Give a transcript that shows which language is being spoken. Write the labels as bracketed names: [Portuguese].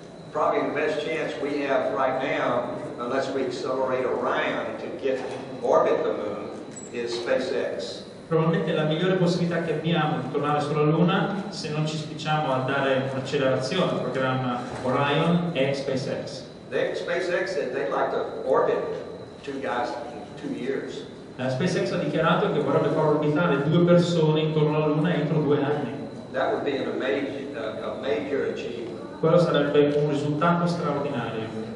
[English] Probably the best chance we have right now, unless we accelerate Orion to get orbit the moon, is SpaceX. [Italian] Probabilmente la migliore possibilità che abbiamo di tornare sulla Luna, se non ci spicciamo a dare un'accelerazione al programma Orion, è SpaceX. [English] SpaceX said they'd like to orbit two guys in 2 years. [Italian] SpaceX ha dichiarato che vorrebbe far orbitare 2 persone intorno alla Luna entro 2 anni. [English] That would be a major achievement. [Italian] Quello sarebbe un risultato straordinario.